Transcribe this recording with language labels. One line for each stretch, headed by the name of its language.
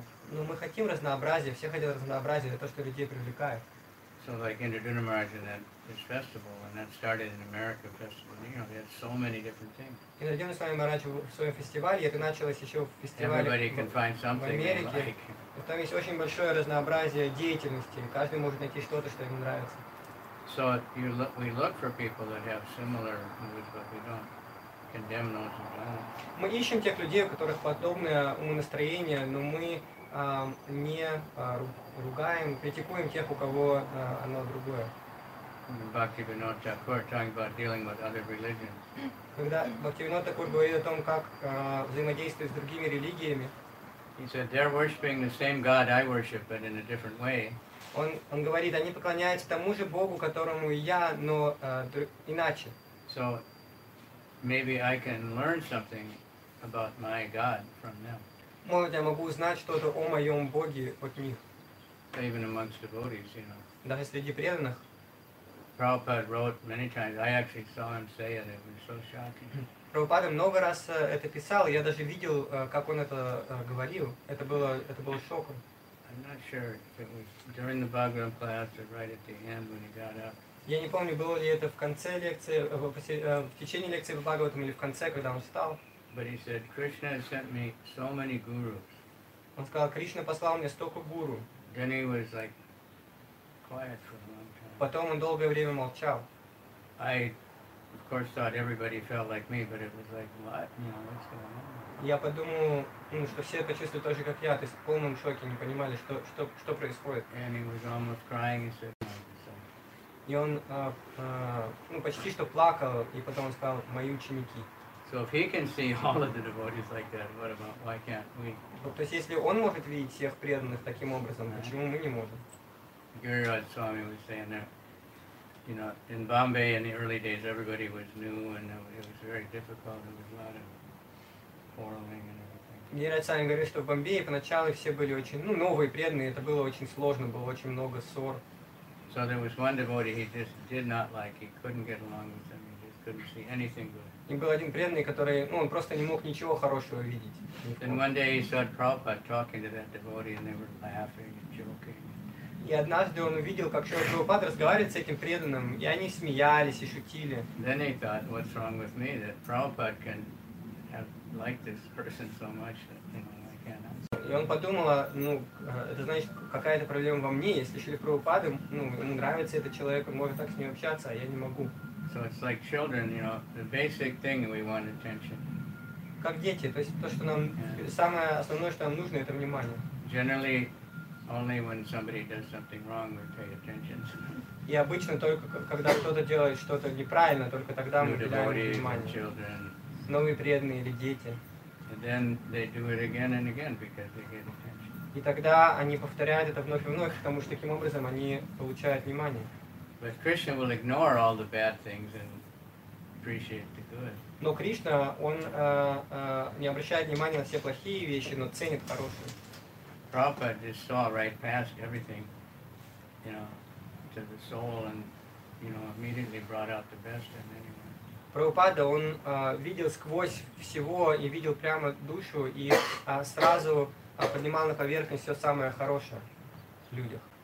Russian: Ну, мы хотим разнообразия, все хотят разнообразия, это то, что людей привлекает.
English: So like in the Dunamarja, that this festival, and that started in America festival. You know, they had so many different things.
Russian: И на Dunamarja в своем фестивале это началось еще в фестивале в Америке. И там есть очень большое разнообразие деятельности. Каждый может найти что-то, что ему нравится.
English: So we look for people that have similar moods, but we don't condemn those who don't.
Russian: Мы ищем тех людей, у которых подобное умонастроение, но мы не ругаем, критикуем тех, у кого оно другое.
English: Бхактивинода Тхакур talking about dealing with other religions.
Russian: Когда Бхактивинода Тхакур говорит о том, как взаимодействовать с другими религиями,
English: he said they're worshiping the same God I worship, but in a different way.
Russian: Он говорит, они поклоняются тому же Богу, которому я, но иначе.
English: So maybe I can learn something about my God from them.
Russian: Может, я могу узнать что-то о моем Боге от них.
English: Even amongst devotees, you know.
Russian: Даже среди преданных.
English: Prabhupada wrote many times. I actually saw him say it. It was so shocking.
Russian: Prabhupada много раз это писал. Я даже видел, как он это говорил. Это было шоком.
English: I'm not sure if it was during the Bhagavan class or right at the end when he got up.
Russian: Я не помню, было ли это в конце лекции, в течение лекции по Бхагаватам или в конце, когда он встал.
English: But he said, Krishna has sent me so many gurus.
Russian: Он сказал, Кришна послал мне столько гуру.
English: Then he was like quiet for a long time.
Russian: Потом он долгое время молчал.
English: I, of course, thought everybody felt like me, but it was like, what? You know, what's going on?
Russian: Я подумал, что все почувствуют так же, как я, то есть в полном шоке, не понимали, что происходит.
English: And he was almost crying, he said.
Russian: И он почти что плакал, и потом он сказал, мои ученики.
English: So if he can see all of the devotees like that, what about, why can't we?
Russian: То есть если он может видеть всех преданных таким образом, почему мы не можем?
English: Gururaj Swami was saying that, you know, in Bombay in the early days, everybody was new, and it was very difficult, there was a lot of quarreling and everything.
Russian: Gururaj Swami говорит, что в Бомбее поначалу все были очень, новые преданные, это было очень сложно, было очень много ссор.
English: So there was one devotee he just did not like, he couldn't get along with them, he just couldn't see anything good.
Russian: И был один преданный, который, он просто не мог ничего хорошего видеть.
English: And one day he saw Prabhupada talking to that devotee, and they were laughing and joking.
Russian: И однажды он увидел, как Шрила Прабхупада разговаривает с этим преданным, и они смеялись и шутили.
English: Then he thought, what's wrong with me that Prabhupada can have liked this person so much that, you know, I cannot.
Russian: И он подумал, это значит, какая-то проблема во мне, если Шрила Прабхупада, ему нравится этот человек, он может так с ним общаться, а я не могу.
English: So it's like children, you know, the basic thing we want attention.
Russian: Как дети, то есть то, что нам самое основное, что нам нужно, это внимание.
English: Generally, only when somebody does something wrong, we pay attention.
Russian: И обычно только когда кто-то делает что-то неправильно, только тогда мы уделяем внимание.
English: Children.
Russian: Новые преданные или дети.
English: And then they do it again and again because they get attention.
Russian: И тогда они повторяют это вновь и вновь, потому что таким образом они получают внимание.
English: But Krishna will ignore all the bad things and appreciate the good.
Russian: Но Кришна, он не обращает внимания на все плохие вещи, но ценит хорошие.
English: Prabhupada just saw right past everything, you know, to the soul, and you know, immediately brought out the best in anyone.
Russian: Прабхупада, он видел сквозь всего и видел прямо душу и сразу поднимал на поверхность все самое хорошее в людях.